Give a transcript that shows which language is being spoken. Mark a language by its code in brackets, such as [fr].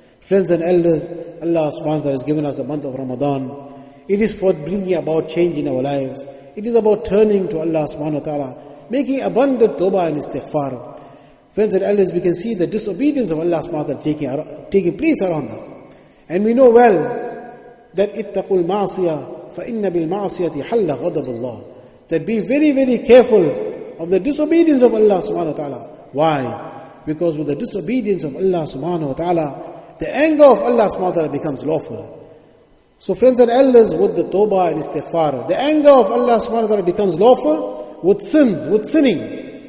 [en] Friends and elders, Allah Subhanahu Wa Ta'ala has given us the month of Ramadan. It is for bringing about change in our lives. It is about turning to Allah Subhanahu Wa Ta'ala, making abundant tawbah and istighfar. Friends and elders, we can see the disobedience of Allah Subhanahu Wa Ta'ala taking place around us. And we know well that [ar] اتَّقُوا الْمَعْصِيَةِ فَإِنَّ بِالْمَعْصِيَةِ حَلَّ غَضَبُ اللَّهِ. [en] That be very, very careful of the disobedience of Allah Subhanahu Wa Ta'ala. Why? Because with the disobedience of Allah Subhanahu Wa Ta'ala, the anger of Allah Subhanahu Wa Ta'ala becomes lawful. So friends and elders, with the tawbah and istighfar, the anger of Allah Subhanahu Wa Ta'ala becomes lawful with sins, with sinning.